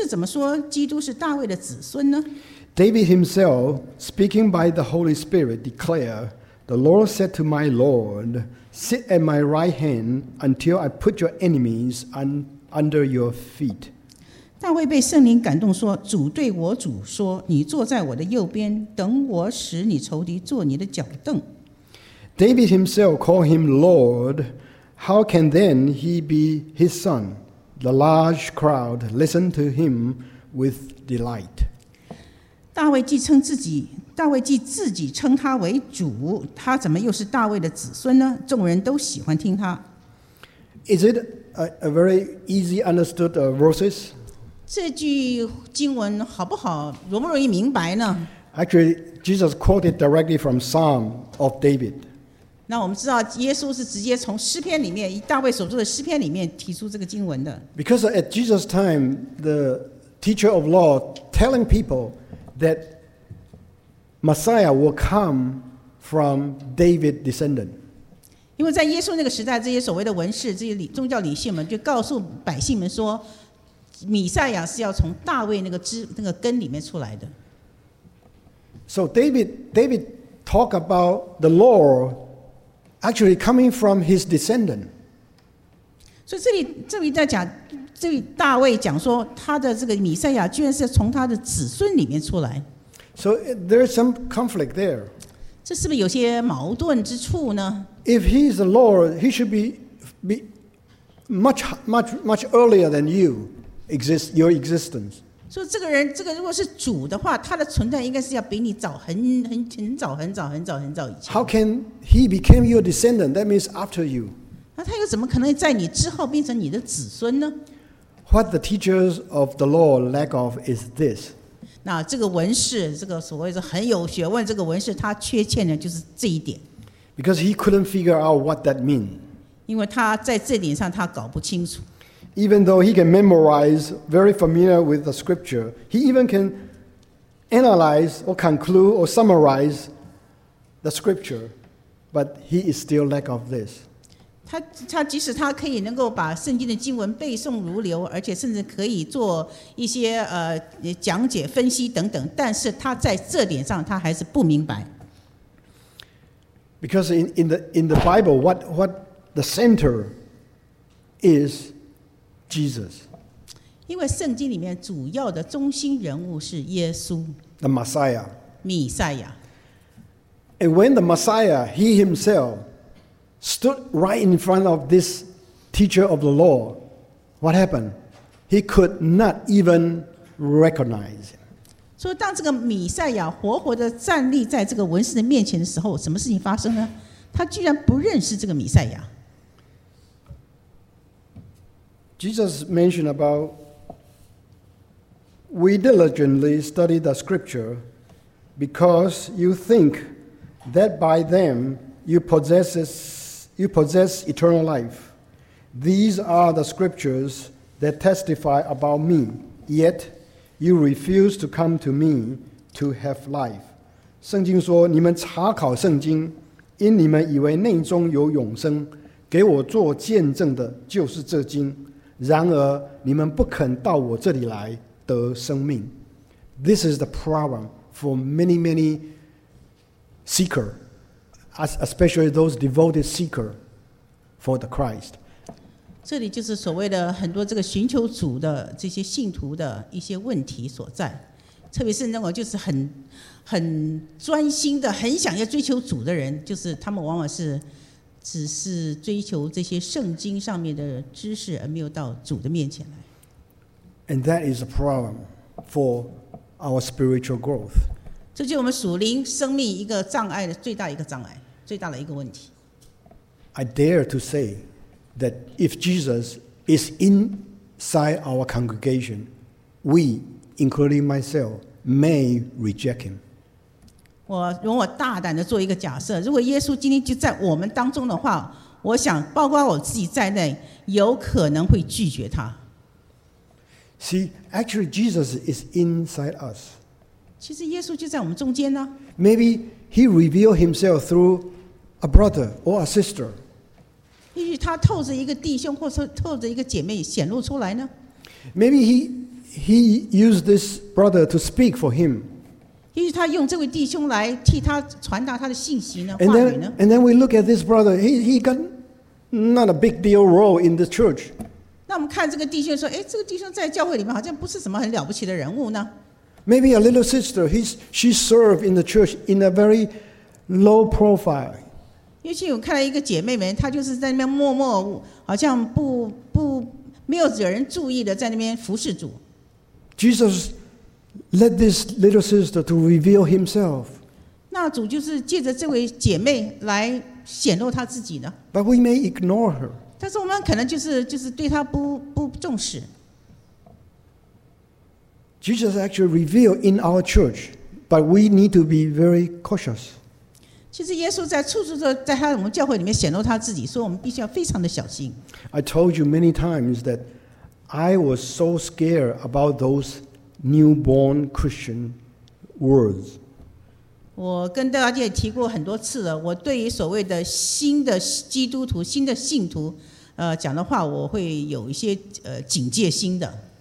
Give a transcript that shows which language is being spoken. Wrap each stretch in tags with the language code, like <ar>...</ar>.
<zh>第35节，耶稣在殿里教训人，就问他们说：“文士怎么说基督是大卫的子孙呢？”</zh> <en>David himself, speaking by the Holy Spirit, declared, "The Lord said to my Lord, 'Sit at my right hand until I put your enemies under your feet.</en> <zh>大卫被圣灵感动说，主对我主说，你坐在我的右边，等我使你仇敌坐你的脚凳。</zh> <en>David himself called him Lord. How can then he be his son? The large crowd listened to him with delight.</en> <zh>大卫既称他为主，他怎么又是大卫的子孙呢？众人都喜欢听他。</zh> <en>Is it a very easy understood verses?</en> <zh>这句经文好不好，容不容易明白呢？</zh> <en>Actually, Jesus quoted directly from Psalm of David.</en> <zh>那我们知道耶稣是直接从诗篇里面，大卫所作的诗篇里面提出这个经文的。</zh> <en>Because at Jesus' time, the teacher of law telling people that Messiah will come from David descendant.</en> <zh>因为在耶稣那个时代，这些所谓的文士、这些宗教理性们就告诉百姓们说，弥赛亚是要从大卫那个根里面出来的。</zh> <en>So David talk about the law. Actually, coming from his descendant. So,</en> <zh>这里在讲，这里大卫讲说，他的这个弥赛亚居然是从他的子孙里面出来。</zh> <en>So, there is some conflict there.</en> <zh>这是不是有些矛盾之处呢？</zh> <en>If he is the Lord, he should be much, much, much earlier than you exist, your existence. So,</en> <zh>这个如果是主的话，他的存在应该是要比你早很早以前。</zh> <en>How can he became your descendant? That means after you.</en> <zh>那他又怎么可能在你之后变成你的子孙呢？</zh> <en>What the teachers of the law lack of is this.</en> <zh>那这个文士，这个所谓的很有学问，这个文士他缺欠的就是这一点。</zh> <en>Because he couldn't figure out what that means.</en> <zh>因为他在这点上他搞不清楚。</zh> <en>Even though he can memorize, very familiar with the scripture, he even can analyze or conclude or summarize the scripture, but he is still lack of this.</en> <zh>他即使他可以能够把圣经的经文背诵如流，而且甚至可以做一些讲解分析等等，但是他在这点上他还是不明白。</zh> <en>Because in the Bible, what the center is. Jesus.</en> <zh>因为圣经里面主要的中心人物是耶稣。</zh> <en>The Messiah.</en> <zh>弥赛亚。</zh> <en>And when the Messiah, he himself, stood right in front of this teacher of the law, what happened? He could not even recognize him.</en> <zh>所以当这个弥赛亚活活的站立在这个文士的面前的时候，什么事情发生呢？他居然不认识这个弥赛亚。</zh> <en>Jesus mentioned about we diligently study the scripture because you think that by them you possess eternal life. These are the scriptures that testify about me, yet you refuse to come to me to have life.</en> <zh>圣经说，你们查考圣经，因你们以为内中有永生，给我做见证的就是这经。然而你们不肯到我这里来得生命。</zh> <en>This is the problem for many, many seekers, especially those devoted seekers for the Christ.</en> <zh>这里就是所谓的很多这个寻求主的这些信徒的一些问题所在，特别是那个就是很专心的很想要追求主的人，就是他们往往是只是追求这些圣经上面的知识，而没有到主的面前来。</zh> <en>And that is a problem for our spiritual growth.</en> <zh>这就是我们属灵生命一个障碍的最大一个障碍，最大的一个问题。</zh> <en>I dare to say that if Jesus is inside our congregation, we, including myself, may reject him.</en> <zh>我容我大胆的做一个假设，如果耶稣今天就在我们当中的话，我想包括我自己在内，有可能会拒绝他。</zh> <en>See, actually Jesus is inside us.</en> <zh>其实耶稣就在我们中间呢。</zh> <en>Maybe he revealed himself through a brother or a sister.</en> <zh>也许他透着一个弟兄或是透着一个姐妹显露出来呢。</zh> <en>Maybe he used this brother to speak for him.</en> <zh>也许他用这位弟兄来替他传达他的信息呢，话语呢。</zh> <en>And then we look at this brother. He got not a big deal role in the church.</en> <zh>那我们看这个弟兄说，这个弟兄在教会里面好像不是什么很了不起的人物呢？</zh> <en>Maybe a little sister, she served in the church in a very low profile.</en> <zh>也许我看到一个姐妹们，她就是在那边默默，好像不没有惹人注意的在那边服侍主。</zh> <en>Jesus led this little sister to reveal himself.</en> <zh>那主就是借着这位姐妹来显露她自己的。</zh> <en>But we may ignore her.</en> <zh>但是我们可能就是对他不重视。</zh> <en>Jesus actually revealed in our church, but we need to be very cautious.</en> <zh>其实耶稣在处处都在他我们教会里面显露他自己，所以我们必须要非常的小心。</zh> <en>I told you many times that I was so scared about those newborn Christian words.</en> <zh>我跟大家提过很多次了，我对于所谓的新的基督徒、新的信徒，讲的话，我会有一些警戒心的。</zh>